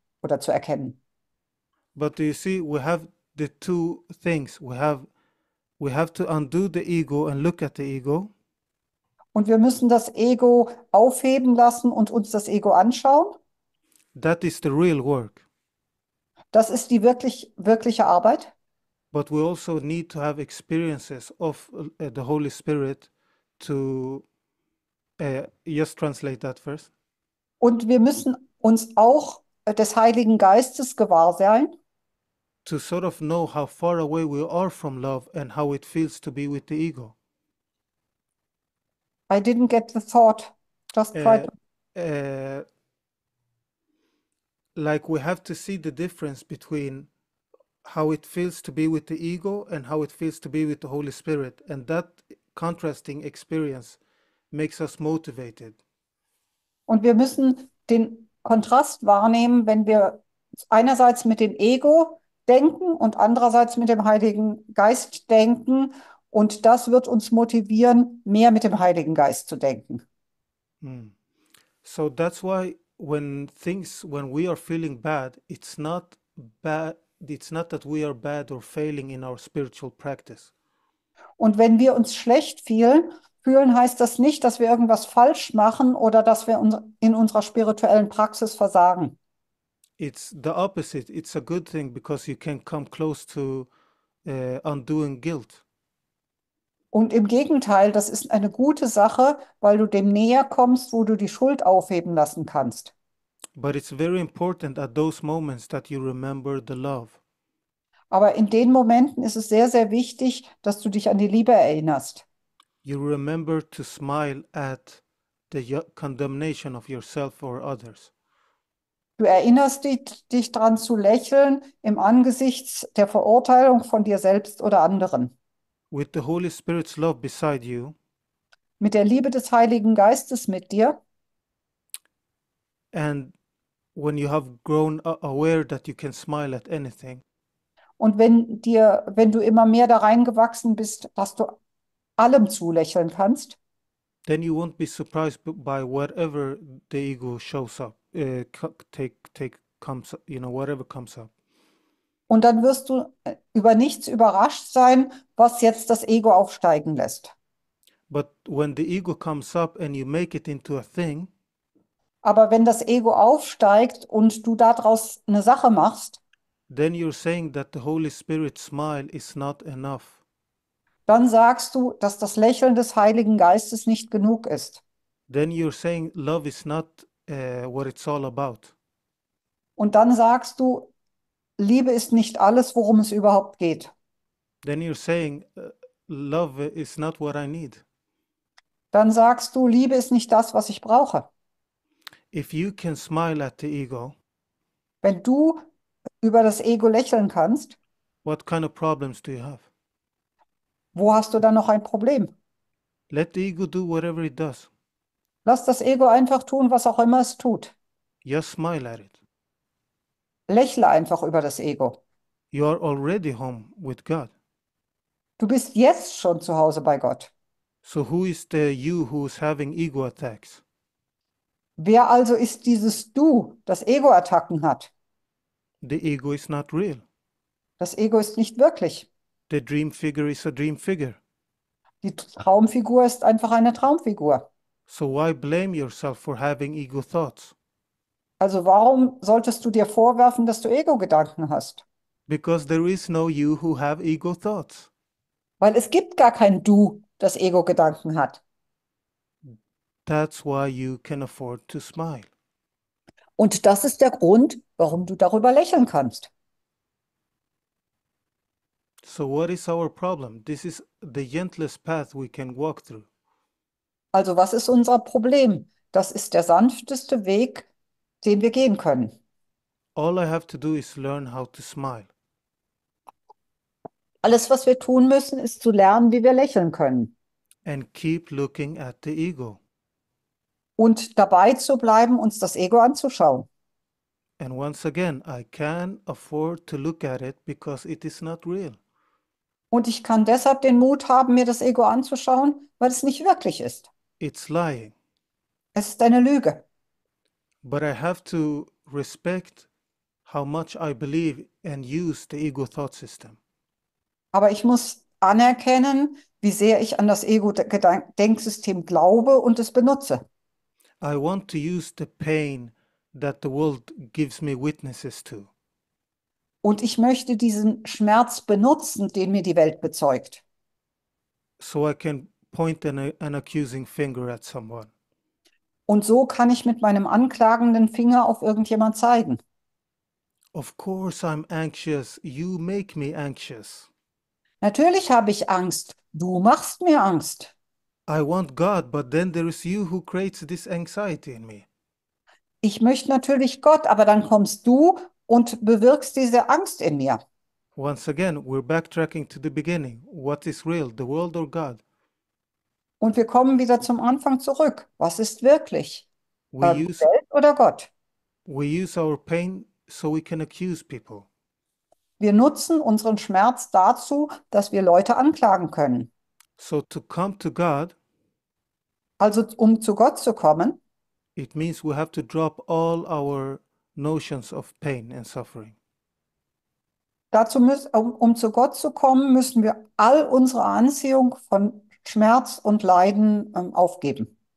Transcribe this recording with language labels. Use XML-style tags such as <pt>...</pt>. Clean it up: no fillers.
<de>Oder zu erkennen.</de> <en>But do you see, we have the two things. We have to undo the ego and look at the ego.</en> <de>Und wir müssen das Ego aufheben lassen und uns das Ego anschauen.</de> <en>That is the real work.</en> <de>Das ist die wirkliche Arbeit.</de> <en>But we also need to have experiences of the Holy Spirit to just translate that first.</en> <de>Und wir müssen uns auch des Heiligen Geistes gewahr sein.</de> <en>To sort of know how far away we are from love and how it feels to be with the ego. I didn't get the thought. Just try to. Like we have to see the difference between how it feels to be with the ego and how it feels to be with the Holy Spirit. And that contrasting experience makes us motivated.</en> <de>Und wir müssen den Kontrast wahrnehmen, wenn wir einerseits mit dem Ego denken und andererseits mit dem Heiligen Geist denken. Und das wird uns motivieren, mehr mit dem Heiligen Geist zu denken.</de> <en>So that's why when we are feeling bad, it's not bad, it's not that we are bad or failing in our spiritual practice.</en> <de>Und wenn wir uns schlecht fühlen heißt das nicht, dass wir irgendwas falsch machen oder dass wir uns in unserer spirituellen Praxis versagen.</de> <en>It's the opposite. It's a good thing because you can come close to undoing guilt.</en> <de>Und im Gegenteil, das ist eine gute Sache, weil du dem näher kommst, wo du die Schuld aufheben lassen kannst.</de> <en>But it's very important at those moments that you remember the love.</en> <de>Aber in den Momenten ist es sehr, sehr wichtig, dass du dich an die Liebe erinnerst.</de> <en>You remember to smile at the condemnation of yourself or others.</en> <de>Du erinnerst dich daran zu lächeln im Angesicht der Verurteilung von dir selbst oder anderen.</de> <en>With the Holy Spirit's love beside you.</en> <de>Mit der Liebe des Heiligen Geistes mit dir.</de> <en>And when you have grown aware that you can smile at anything.</en> <de>Und wenn du immer mehr da reingewachsen bist, dass du allem zulächeln kannst,</de> <en>Then you won't be surprised by whatever the ego shows up, take comes, whatever comes up.</en> <de>und dann wirst du über nichts überrascht sein, was jetzt das Ego aufsteigen lässt.</de> <en>But when the ego comes up and you make it into a thing,</en> <de>Aber wenn das Ego aufsteigt und du daraus eine Sache machst,</de> <en>then you're saying that the Holy Spirit smile is not enough.</en> <de>dann sagst du, dass das Lächeln des Heiligen Geistes nicht genug ist.</de> <en>Then you're saying love is not what it's all about.</en> <de>Und dann sagst du, Liebe ist nicht alles, worum es überhaupt geht.</de> <en>Then you're saying love is not what I need.</en> <de>Dann sagst du, Liebe ist nicht das, was ich brauche.</de> <en>If you can smile at the ego,</en> <de>Wenn du über das Ego lächeln kannst,</de> <en>what kind of problems do you have?</en> <de>wo hast du dann noch ein Problem?</de> <en>Let the ego do whatever it does.</en> <de>Lass das Ego einfach tun, was auch immer es tut.</de> <en>Just smile at it.</en> <de>Lächle einfach über das Ego.</de> <en>You are already home with God.</en> <de>Du bist jetzt schon zu Hause bei Gott.</de> <en>So who is the you who is having ego attacks?</en> <de>Wer also ist dieses Du, das Ego-Attacken hat?</de> <en>The ego is not real.</en> <de>Das Ego ist nicht wirklich.</de> <en>The dream figure is a dream figure.</en> <de>Die Traumfigur ist einfach eine Traumfigur.</de> <en>So why blame yourself for having ego thoughts?</en> <de>Also warum solltest du dir vorwerfen, dass du Ego-Gedanken hast?</de> <en>Because there is no you who have ego thoughts.</en> <de>Weil es gibt gar kein Du, das Ego-Gedanken hat.</de> <en>That's why you can afford to smile.</en> <de>Und das ist der Grund, warum du darüber lächeln kannst.</de> <en>So what is our problem? This is the gentlest path we can walk through.</en> <de>Also, was ist unser Problem? Das ist der sanfteste Weg, den wir gehen können.</de> <en>All I have to do is learn how to smile.</en> <de>Alles, was wir tun müssen, ist zu lernen, wie wir lächeln können.</de> <en>And keep looking at the ego.</en> <de>Und dabei zu bleiben, uns das Ego anzuschauen.</de> <en>And once again, I can afford to look at it because it is not real.</en> <de>Und ich kann deshalb den Mut haben, mir das Ego anzuschauen, weil es nicht wirklich ist.</de> <en>It's lying.</en> <de>Es ist eine Lüge.</de> <en>But I have to respect how much I believe and use the ego thought system.</en> <de>Aber ich muss anerkennen, wie sehr ich an das Ego-Denksystem glaube und es benutze.</de> <en>I want to use the pain that the world gives me witnesses to.</en> <de>Und ich möchte diesen Schmerz benutzen, den mir die Welt bezeugt.</de> <en>So I can point an accusing finger at someone.</en> <de>Und so kann ich mit meinem anklagenden Finger auf irgendjemand zeigen.</de> <en>Of course I'm anxious. You make me anxious.</en> <de>Natürlich habe ich Angst. Du machst mir Angst.</de> <en>I want God, but then there is you who creates this anxiety in me.</en> <de>Ich möchte natürlich Gott, aber dann kommst du und bewirkst diese Angst in mir.</de> <en>Once again, we're backtracking to the beginning. What is real, the world or God?</en> <de>Und wir kommen wieder zum Anfang zurück. Was ist wirklich?</de> <en>We</en> <de>Die Welt oder Gott?</de> <en>use our pain. So we can accuse people.</en> <de>Wir nutzen unseren Schmerz dazu, dass wir Leute anklagen können.</de> <en>So to come to God,</en> <de>Also um zu Gott zu kommen,</de> <en>it means we have to drop all our notions of pain and suffering.</en> <de>Um zu Gott zu kommen, müssen wir all unsere Anziehung von Schmerz und Leiden, aufgeben.</de>